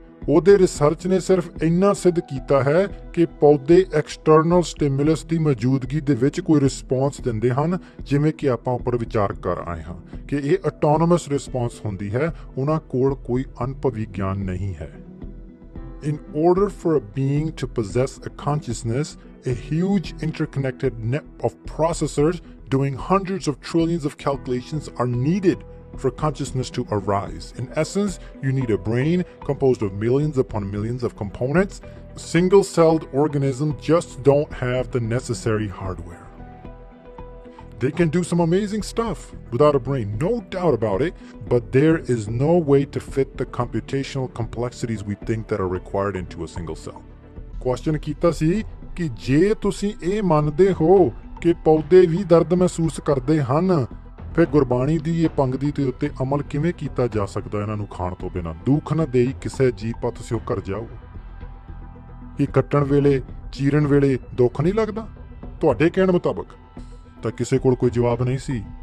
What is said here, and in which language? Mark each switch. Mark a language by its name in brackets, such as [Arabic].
[Punjabi] ਉਹਦੇ ਰਿਸਰਚ ਨੇ ਸਿਰਫ ਇੰਨਾ ਸਿੱਧ ਕੀਤਾ ਹੈ ਕਿ ਪੌਦੇ ਐਕਸਟਰਨਲ ਸਟਿਮੂਲਸ ਦੀ ਮੌਜੂਦਗੀ ਦੇ ਵਿੱਚ ਕੋਈ ਰਿਸਪੌਂਸ ਦਿੰਦੇ ਹਨ ਜਿਵੇਂ ਕਿ ਆਪਾਂ ਉੱਪਰ ਵਿਚਾਰ ਕਰ ਆਏ ਹਾਂ ਕਿ ਇਹ ਆਟੋਨੋਮਸ ਰਿਸਪੌਂਸ ਹੁੰਦੀ ਹੈ ਉਹਨਾਂ ਕੋਲ ਕੋਈ ਅਨੁਭਵੀ ਗਿਆਨ ਨਹੀਂ ਹੈ [English] In order for a being to possess a consciousness a huge interconnected net of processors doing hundreds of trillions of calculations are needed for consciousness to arise. In essence, you need a brain composed of millions upon millions of components. Single-celled organisms just don't have the necessary hardware. They can do some amazing stuff without a brain, no doubt about it, but there is no way to fit the computational complexities we think that are required into a single cell. [Punjabi] Question kita si ki je tusi eh mande ho ki paude vi dard mehsoos karde han ਫਿਰ ਗੁਰਬਾਣੀ ਦੀ ਇਹ ਪੰਗਤੀ ਦੇ ਉੱਤੇ ਅਮਲ ਕਿਵੇਂ ਕੀਤਾ ਜਾ ਸਕਦਾ ਇਹਨਾਂ ਨੂੰ ਖਾਣ ਤੋਂ ਬਿਨਾਂ ਦੁੱਖ ਨਾ ਦੇਈ ਕਿਸੇ ਜੀਵ ਪਾ ਤੁਸੀਂ ਉਹ ਘਰ ਜਾਓ ਇਹ ਕੱਟਣ ਵੇਲੇ ਚੀਰਨ ਵੇਲੇ ਦੁੱਖ ਨਹੀਂ ਲੱਗਦਾ ਤੁਹਾਡੇ ਕਹਿਣ ਮੁਤਾਬਕ ਤਾਂ ਕਿਸੇ ਕੋਲ ਕੋਈ ਜਵਾਬ ਨਹੀਂ ਸੀ